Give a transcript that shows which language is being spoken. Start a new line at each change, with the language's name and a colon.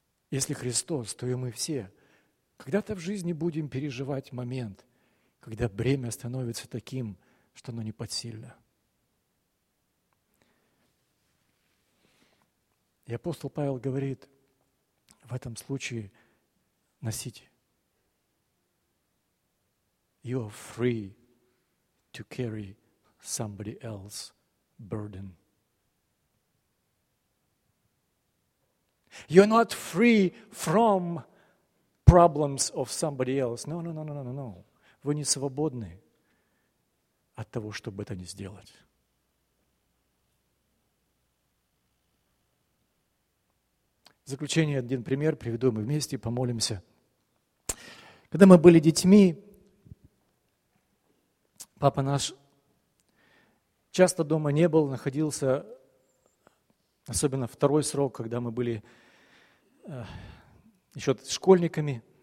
Russian: Если Христос, то и мы все когда-то в жизни будем переживать момент, когда бремя становится таким, что оно не подсильно. И апостол Павел говорит, в этом случае носите.
English: You are free to carry somebody else's burden. You're not free from problems of somebody else. No.
Russian: Вы не свободны от того, чтобы это не сделать. В заключение один пример приведу, мы вместе помолимся. Когда мы были детьми, папа наш часто дома не был, находился, особенно второй срок, когда мы были еще школьниками.